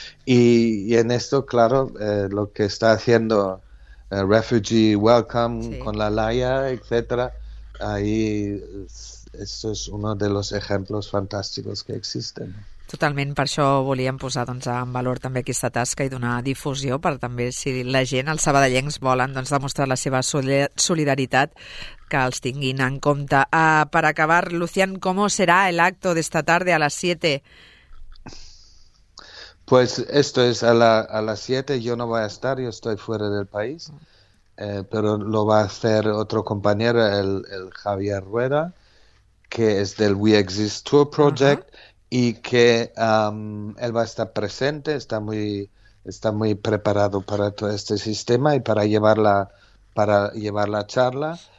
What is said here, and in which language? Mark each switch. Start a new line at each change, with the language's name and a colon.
Spanish: Y en esto, claro, lo que está haciendo Refugee Welcome Sí. con la Laia, etcétera. Ahí, esto es uno de los ejemplos fantásticos que existen.
Catalan: Totalment, per això volíem posar doncs, en valor també aquesta tasca i donar difusió per també si la gent, els sabadellencs, volen doncs, demostrar la seva solidaritat, que els tinguin en compte. Per acabar,
Spanish: Lucian, ¿cómo será el acto de esta tarde a las 7? Pues esto es a las 7. Yo no voy a estar, yo estoy fuera del país, pero lo va a hacer otro compañero, el Javier Rueda, que es del We Exist Tour Project, y que él va a estar presente, está muy preparado para todo este sistema y para llevar la charla.